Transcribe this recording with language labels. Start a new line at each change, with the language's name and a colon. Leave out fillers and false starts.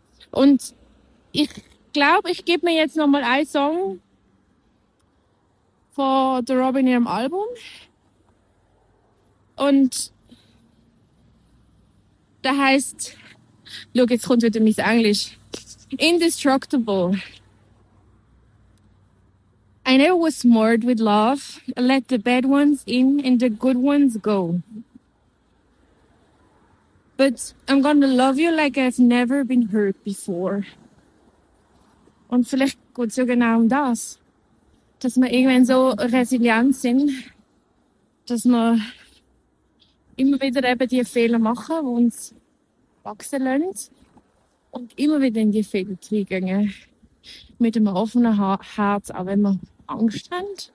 German: Und ich glaube, ich gebe mir jetzt nochmal einen Song von der Robin ihrem Album. Und der heisst, schau, jetzt kommt wieder mein Englisch.
English: Indestructible. I never was smart with love. I let the bad ones in and the good ones go. But I'm gonna love you like I've never been hurt before.
German: Und vielleicht geht es ja genau um das. Dass wir irgendwann so resilient sind, dass wir immer wieder eben die Fehler machen, die uns wachsen lassen. Und immer wieder in die Fehler zurückgehen. Mit einem offenen Herz, auch wenn wir Angst haben.